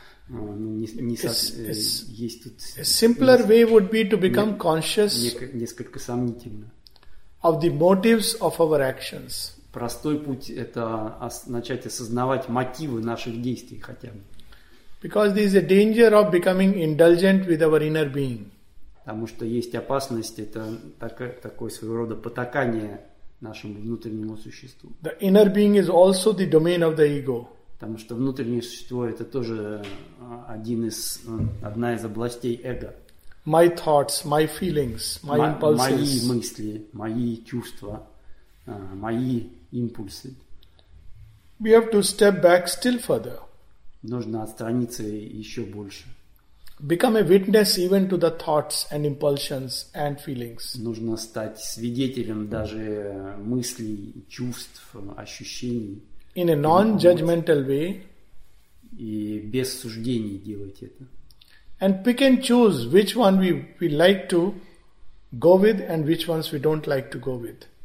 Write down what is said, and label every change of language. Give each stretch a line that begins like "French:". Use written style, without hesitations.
English: A simpler way would be to become conscious
Russian: несколько сомнительно
English: of the motives of our actions.
Russian: Простой путь – это начать осознавать мотивы наших действий хотя бы.
English: Because there is a danger of becoming indulgent with our inner being.
Russian: Потому что есть опасность – это такое своего рода потакание нашему внутреннему существу.
English: The inner being is also the domain of the ego.
Russian: Потому что внутреннее существо – это тоже одна из областей эго.
English: My thoughts, my feelings, my impulses.
Russian: Мои мысли, мои чувства. Мои импульсы.
English: We have to step back still further.
Russian: Нужно отстраниться еще больше.
English: Become a witness even to the thoughts and impulsions and feelings.
Russian: Нужно стать свидетелем даже мыслей, чувств, ощущений.
English: In a non-judgmental way.
Russian: И без суждений делать это.
English: And pick and choose which one we like to go with and which ones we don't like to go with.